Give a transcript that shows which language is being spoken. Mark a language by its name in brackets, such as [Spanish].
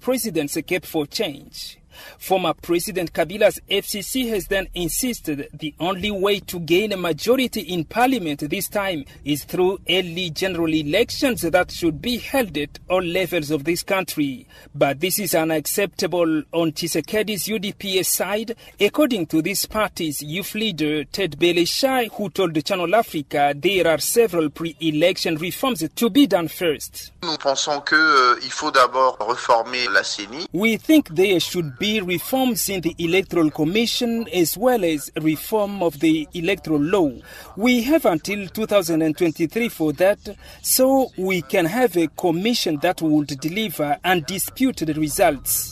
[English] President's Cap for Change. Former President Kabila's FCC has then insisted the only way to gain a majority in parliament this time is through early general elections that should be held at all levels of this country. But this is unacceptable on Tshisekedi's UDPS side, according to this party's youth leader, Ted Beleshai, who told Channel Africa there are several pre-election reforms to be done first. [French] Nous pensons que, il faut d'abord reformer la CENI. [English] We think there should be reforms in the Electoral Commission as well as reform of the electoral law. We have until 2023 for that, so we can have a commission that would deliver undisputed results.